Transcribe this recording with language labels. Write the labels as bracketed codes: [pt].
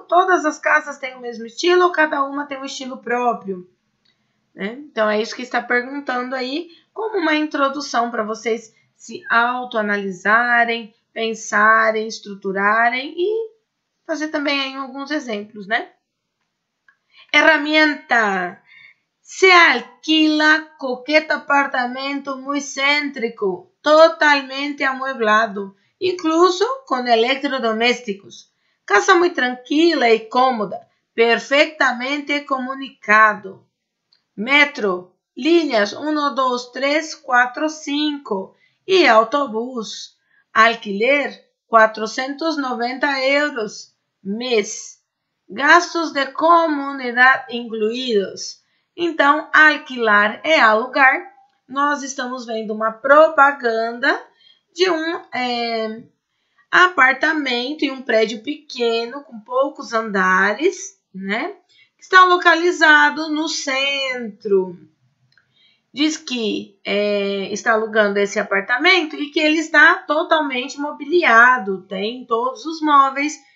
[pt] Todas as casas têm o mesmo estilo ou cada uma tem um estilo próprio? Né? Então, é isso que está perguntando aí, como uma introdução para vocês se autoanalisarem, pensarem, estruturarem e fazer também aí alguns exemplos, né? [es] Herramienta. Se alquila coqueta apartamento muy céntrico, totalmente amueblado. Incluso con electrodomésticos. Casa muy tranquila y cómoda. Perfectamente comunicado. Metro. Líneas 1, 2, 3, 4, 5. Y autobús. Alquiler 490 euros. Mes. Gastos de comunidad incluidos. [pt] Então, alquilar é alugar. Nós estamos vendo uma propaganda de um apartamento em um prédio pequeno, com poucos andares, né? Está localizado no centro. Diz que está alugando esse apartamento e que ele está totalmente mobiliado, tem todos os móveis